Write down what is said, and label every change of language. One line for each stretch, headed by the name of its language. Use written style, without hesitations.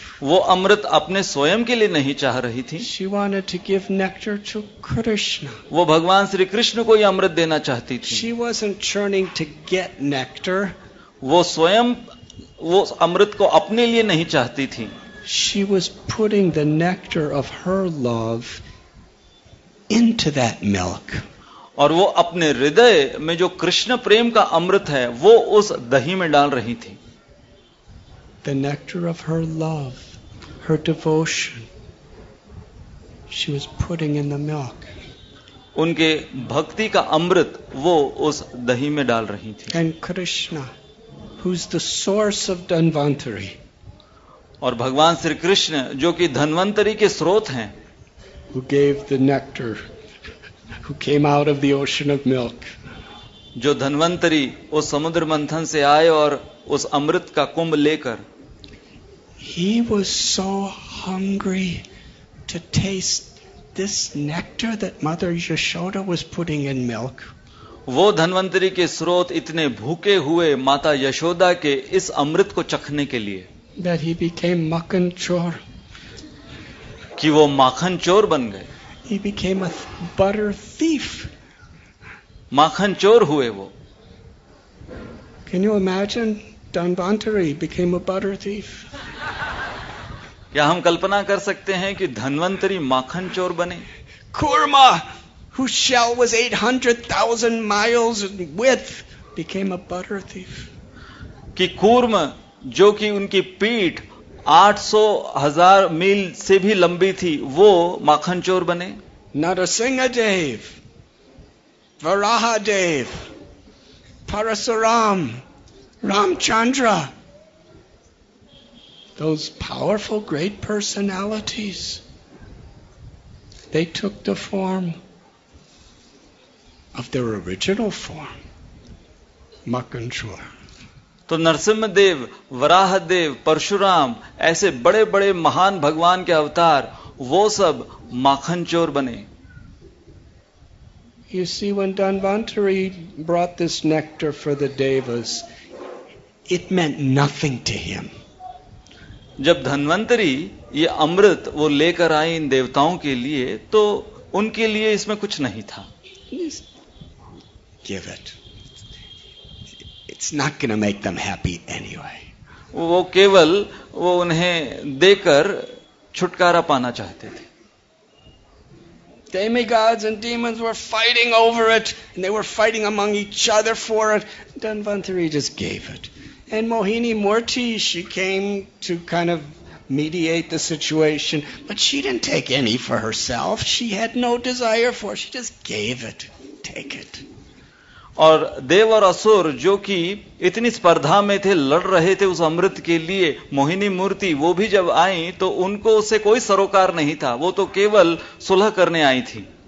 Hindi: वो अमृत अपने स्वयं के लिए नहीं चाह रही थी।
English: She wanted to give nectar to Krishna.
Hindi: वो भगवान श्री कृष्ण को ये अमृत देना चाहती थी।
English: She wasn't churning to get nectar.
Hindi: वो स्वयं वो अमृत को अपने लिए नहीं चाहती थी।
English: She was putting the nectar of her love into that milk.
Hindi: और वो अपने हृदय में जो कृष्ण प्रेम का अमृत है वो उस दही में डाल रही थी।
English: The nectar of her love, her devotion, she was putting in the milk.
Hindi: उनके भक्ति का अमृत वो उस दही में डाल रही थी।
English: And Krishna, who's the source of Dhanvantari.
Hindi: और भगवान श्री कृष्ण जो कि धन्वंतरी के स्रोत हैं,
English: who gave the nectar, who came out of the ocean of milk.
Hindi: जो धन्वंतरी उस समुद्र मंथन से आए और उस अमृत का कुंभ लेकर
English: He was so hungry to taste this nectar that Mother Yashoda was putting in milk.
Hindi: वो धन्वंतरि के स्रोत इतने भूखे हुए माता यशोदा के इस अमृत को चखने के लिए.
English: That he became makhan chor.
Hindi: कि वो माखन चोर बन गए.
English: He became a butter thief.
Hindi: माखन चोर हुए वो.
English: Can you imagine? Dhanvantari became a butter thief.
Hindi: क्या हम कल्पना कर सकते हैं कि धन्वंतरी माखन चोर बने?
English: Kurma, whose shell was 800,000 miles in width, became a butter thief.
Hindi: कि कूर्म जो कि उनकी पीठ 800,000 मील से भी लंबी थी, वो माखन चोर बने?
English: Narasingadev, Varahadev, Parasuram. Ramchandra, those powerful great personalities, they took the form of their original form, Makhanchur.
Hindi: तो नरसिम्हदेव, वराहदेव, परशुराम ऐसे बड़े बड़े महान भगवान के अवतार वो सब माखनचोर बने.
English: You see, when Dhanvantari brought this nectar for the devas, It meant nothing to him.
Hindi: जब धन्वंतरी ये अमृत वो लेकर आए इन देवताओं के लिए तो उनके लिए इसमें कुछ नहीं था.
English: Give it. It's not going to make them happy anyway.
Hindi: वो केवल वो उन्हें देकर छुटकारा पाना चाहते थे.
English: Demigods and demons were fighting over it, and they were fighting among each other for it. Dhanvantari just gave it. And Mohini Murti, she came to kind of mediate the situation, but she didn't take any for herself. She had no desire for it. She just gave it. Take it.
Hindi: और देव और असुर जो कि इतनी स्पर्धा में थे, लड़ रहे थे उस अमृत के लिए, मोहिनी मूर्ति वो भी जब आई तो उनको उससे कोई सरोकार नहीं था. वो तो केवल सुलह करने आई थी.